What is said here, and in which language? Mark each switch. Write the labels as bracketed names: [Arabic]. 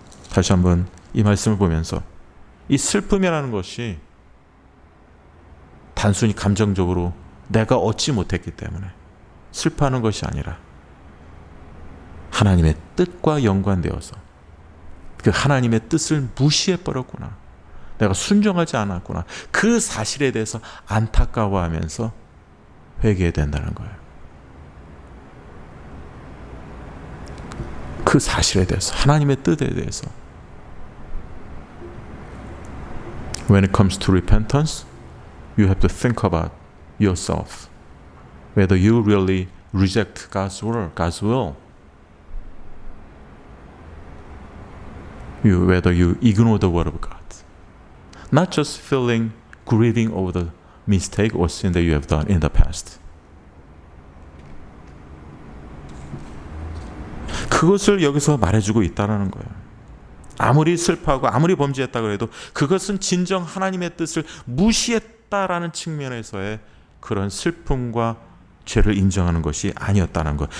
[Korean] 다시 한번 이 말씀을 보면서 이 슬픔이라는 것이 단순히 감정적으로 내가 얻지 못했기 때문에 슬퍼하는 것이 아니라 하나님의 뜻과 연관되어서 그 하나님의 뜻을 무시해버렸구나. 내가 순종하지 않았구나. 그 사실에 대해서 안타까워하면서 회개해야 된다는 거예요. 그 사실에 대해서, 하나님의 뜻에 대해서. [English] When it comes to repentance, you have to think about yourself. Whether you really reject God's word, God's will. Whether you ignore the word of God. Not just feeling grieving over the mistake or sin that you have done in the past. [Korean] 그것을 여기서 말해주고 있다라는 거예요. 아무리 슬퍼하고 아무리 범죄했다고 해도 그것은 진정 하나님의 뜻을 무시했다라는 측면에서의 그런 슬픔과 죄를 인정하는 것이 아니었다는 것.